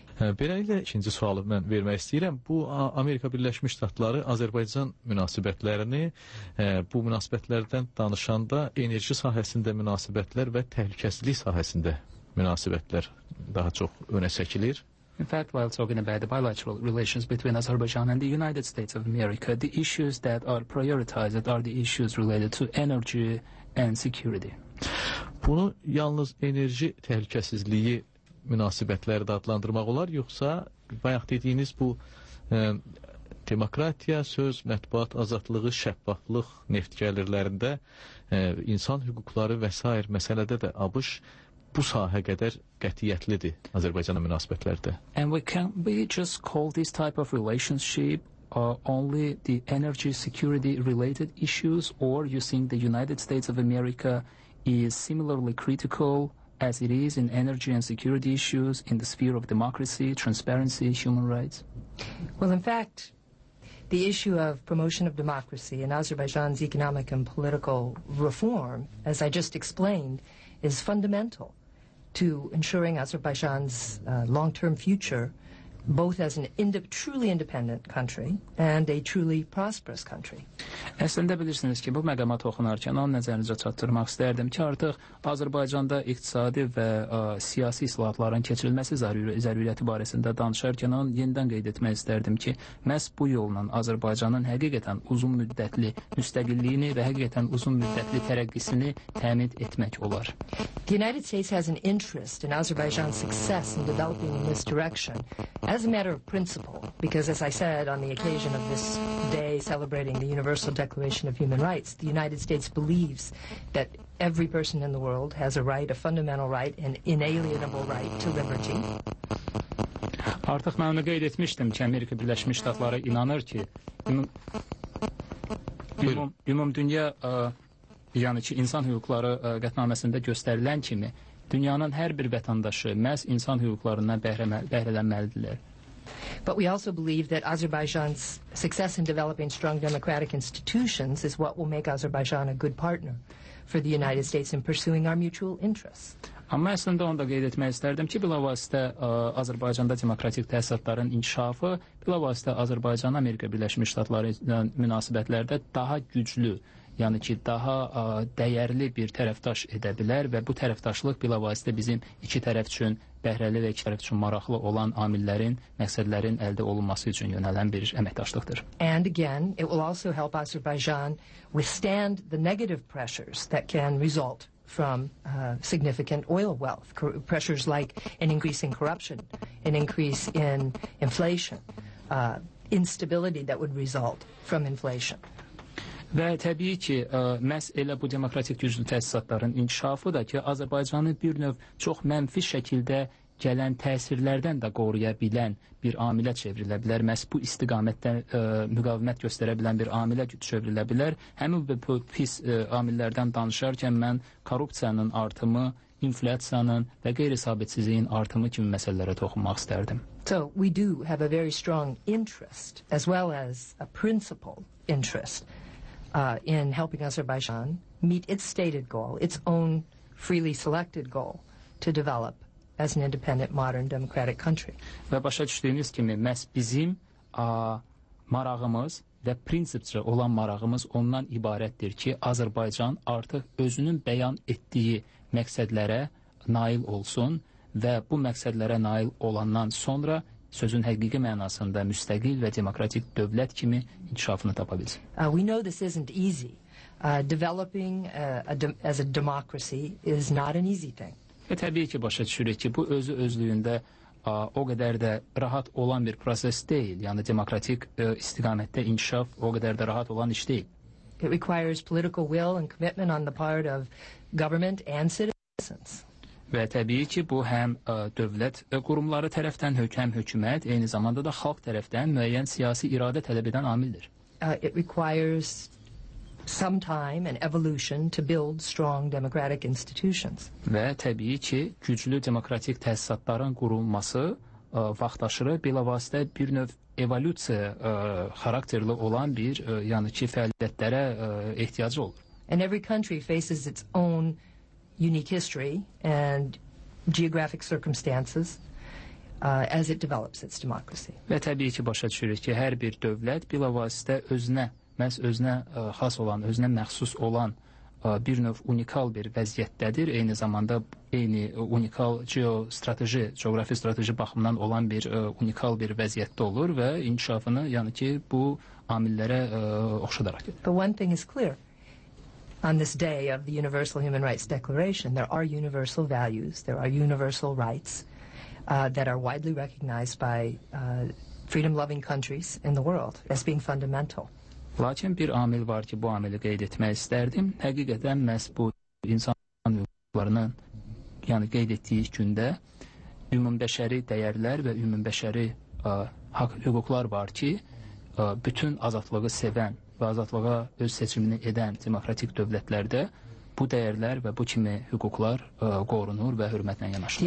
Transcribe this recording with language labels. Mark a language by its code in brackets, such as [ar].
[az] Beləliklə, ikinci sualı mən vermək istəyirəm. Bu, Amerika Birləşmiş Ştatları Azərbaycan münasibətlərini bu münasibətlərdən danışanda enerji sahəsində münasibətlər və təhlükəsizlik sahəsində münasibətlər daha çox önə çəkilir. [en] In fact, while talking about the bilateral relations between Azerbaijan and the United States of America, the issues that are prioritized are the issues related to energy and security. [az] Bunu yalnız enerji təhlükəsizliyi münasibətləri də adlandırmaq olar, yoxsa bayaq dediyiniz bu demokratiya, söz, mətbuat, azadlığı, şəffaflıq, neft gəlirlərində, insan hüquqları və s. məsələdə də ABŞ bu sahə qədər qətiyyətlidir Azərbaycanla münasibətlərdə. [en] And we just call this type of relationship only the energy security related issues, or you think the United States of America is similarly critical as it is in energy and security issues in the sphere of democracy, transparency, human rights? Well, in fact, the issue of promotion of democracy and Azerbaijan's economic and political reform, as I just explained, is fundamental to ensuring Azerbaijan's long-term future, both as an truly independent country and a truly prosperous country. [az] Əslində bilirsiniz ki, bu məqama toxunarkən onu nəzərinizə çatdırmaq istərdim ki, artıq Azərbaycanda iqtisadi və siyasi islahatların keçirilməsi zəruriyyəti barəsində danışarkən onu yenidən qeyd etmək istərdim ki, məhz bu yolla Azərbaycanın həqiqətən uzun müddətli müstəqilliyini və həqiqətən uzun müddətli tərəqqisini təmin etmək olar. [en] The United States has an interest in Azerbaijan's success in developing in this direction. As a matter of principle, because as I said on the occasion of this day celebrating the Universal Declaration of Human Rights, the United States believes that every person in the world has a right, a fundamental right, an inalienable right to liberty. [az] Artıq mən onu qeyd etmişdim ki, Amerika Birləşmiş Ştatları inanır ki, ümumdünya, yəni ki, insan hüquqları qətnaməsində göstərilən kimi, dünyanın hər bir vətəndaşı məhz insan hüquqlarından bəhrələnməlidirlər. Və [en] But we also believe that Azerbaijan's success in developing strong democratic institutions is what will make Azerbaijan a good partner for the United States in pursuing our mutual interests. [az] Amma əslində onu da qeyd etmək istərdim ki, bilavasitə Azərbaycanda demokratik təsadların inkişafı, bilavasitə Azərbaycan Amerika Birləşmiş Ştatları ilə münasibətlərdə daha güclü, yəni ki, daha dəyərli bir tərəfdaş edə bilər və bu tərəfdaşlıq bilavasitə bizim iki tərəf üçün bəhrəli və iki tərəf üçün maraqlı olan amillərin, məqsədlərin əldə olunması üçün yönələn bir əməkdaşlıqdır. [en] And again, it will also help Azerbaijan withstand the negative pressures that can result from significant oil wealth, pressures like an increase in corruption, an increase in inflation, instability that would result from inflation. [az] Və təbii ki, məhz elə bu demokratik güclü təsisatların inkişafı da ki, Azərbaycanı bir növ çox mənfi şəkildə gələn təsirlərdən də qoruya bilən bir amilə çevrilə bilər. Məhz bu istiqamətdə müqavimət göstərə bilən bir amilə çevrilə bilər. Həmin bu pis amillərdən danışarkən mən korrupsiyanın artımı, inflyasiyanın və qeyri-sabitsizliyin artımı kimi məsələlərə toxunmaq istərdim. [en] So, we do have a very strong interest, as well as a principal interest, in helping Azerbaijan meet its stated goal, its own freely selected goal, to develop as an independent, modern, democratic country. [az] Və başa düşdüyünüz kimi, məhz bizim marağımız və prinsipcə olan marağımız ondan ibarətdir ki, Azərbaycan artıq özünün bəyan etdiyi məqsədlərə nail olsun və bu məqsədlərə nail olandan sonra sözün həqiqi mənasında müstəqil və demokratik dövlət kimi inkişafını tapa bilsin. [en] We know this isn't easy. Developing as a democracy is not an easy thing. [az] Və təbii ki, başa düşürük ki, bu özü özlüyündə o qədər də rahat olan bir proses deyil. Yəni, demokratik istiqamətdə inkişaf o qədər də rahat olan iş deyil. [en] It requires political will and commitment on the part of government and citizens. [az] Və təbii ki, bu həm dövlət qurumları tərəfdən, həm hökumət, eyni zamanda da xalq tərəfdən müəyyən siyasi iradə tələb edən amildir. [en] It requires some time and evolution to build strong democratic institutions. [az] Və təbii ki, güclü demokratik təsisatların qurulması vaxt aşırı bilavasitə bir növ evolyusiya xarakterli olan bir yəni ki, fəaliyyətlərə ehtiyacı olur. [en] And every country faces its own unique history and geographic circumstances as it develops its democracy. [az] Və təbii ki, başa düşürük ki, hər bir dövlət bilavasitə özünə məhz özünə xas olan, özünə məxsus olan bir növ unikal bir vəziyyətdədir. Eyni zamanda eyni unikal geostrateji, coğrafi strateji baxımından olan bir unikal bir vəziyyətdə olur və inkişafını, yəni ki, bu amillərə oxşadaraq. [en] But one thing is clear. On this day of the Universal Human Rights Declaration, there are universal values, there are universal rights that are widely recognized by freedom-loving countries in the world as being fundamental. [az] Lakin bir amil var ki, bu amili qeyd etmək istərdim. Həqiqətən məhz bu insan hüquqlarının, yəni qeyd etdiyi gündə ümumbəşəri dəyərlər və ümumbəşəri hüquqlar var ki, bütün azadlığı sevən və azadlığa öz seçimini edən demokratik dövlətlərdə bu dəyərlər və bu kimi hüquqlar qorunur və hörmətlə yanaşılır.